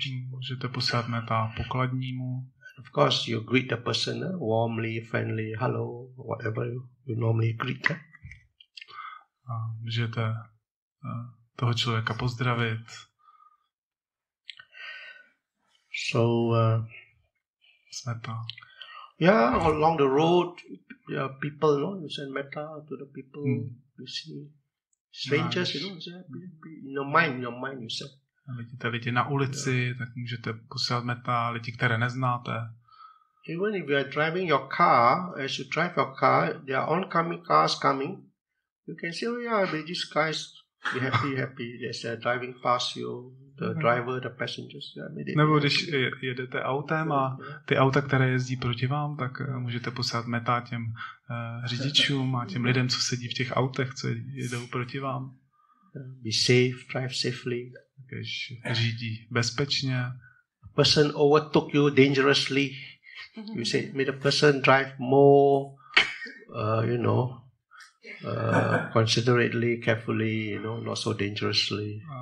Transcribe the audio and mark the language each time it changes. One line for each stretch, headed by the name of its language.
Czech: Můžete posílat metta pokladnímu.
English: Of course, you greet the person warmly, friendly, hello, whatever you normally greet.
Czech: Můžete toho člověka pozdravit.
English: So metta. Yeah, along the road, yeah, people, no, you send metta to the people you see. Strangers, no, in your mind you say.
Czech: Vidíte lidi na ulici, tak můžete posílat metta lidi, které neznáte.
English: Even if you are driving your car, as you drive your car, there are oncoming cars coming. You can say, oh yeah, but these guys be happy, yes, they're driving past you. The driver, the passengers.
Czech: Nebo když jedete autem a ty auta, které jezdí proti vám, tak můžete posílat metta těm řidičům a těm lidem, co sedí v těch autech, co jedou proti vám.
English: Be safe, drive safely.
Czech: Když řídí bezpečně.
English: A person overtook you dangerously. You say, may the person drive more, you know, considerately, carefully, you know, not so dangerously.